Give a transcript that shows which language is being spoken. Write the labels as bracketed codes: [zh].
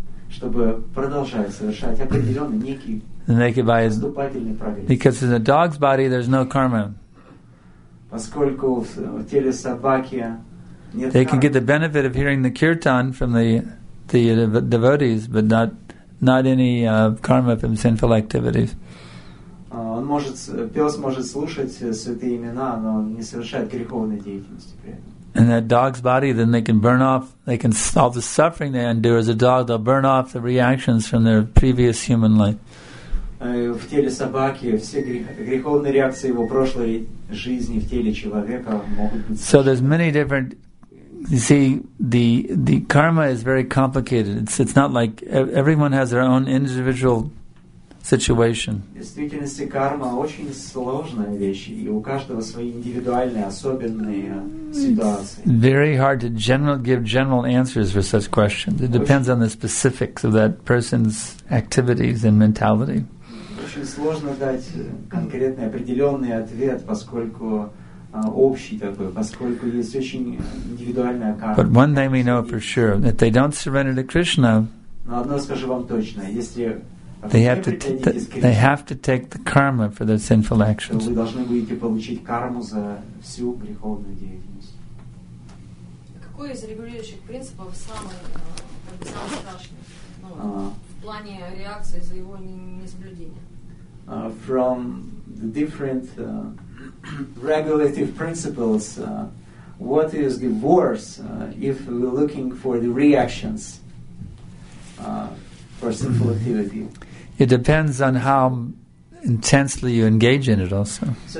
[ru] Чтобы продолжать совершать определенные некие поступательные прогрессы. [en] Because in a dog's body there's no karma. [ru] Поскольку в теле собаки нет [en] They can get the benefit of hearing the kirtan from the devotees, but not any karma from sinful activities. [ru] Пес может слушать святые имена, но не совершает греховной деятельности при этом. [en] In that dog's body, then they can burn off, they can all the suffering they endure as a dog, they'll burn off the reactions from their previous human life. [ru] В теле собаки все греховные реакции его прошлой жизни в теле человека могут быть. [en] So there's many different. You see, the karma is very complicated. It's not like everyone has their own individual situation. [ru] Действительности карма очень сложная вещь, и у каждого свои индивидуальные особенные ситуации. [en] Very hard to give general answers for such questions. It depends on the specifics of that person's activities and mentality. [ru] Очень сложно дать конкретный определенный ответ, поскольку общий такой, поскольку есть очень индивидуальная карма. [en] But one thing we know for sure, if they don't surrender to Krishna, [ru] но одно скажу вам точно, если [en] they have to take the karma for their sinful actions. [ru] Вы должны будете получить карму за всю греховную деятельность. Какой из регулирующих принципов самый страшный в плане реакции за его несоблюдение? [en] From the different regulative principles, what is the worst if we're looking for the reactions for sinful activity? It depends on how intensely you engage in it also.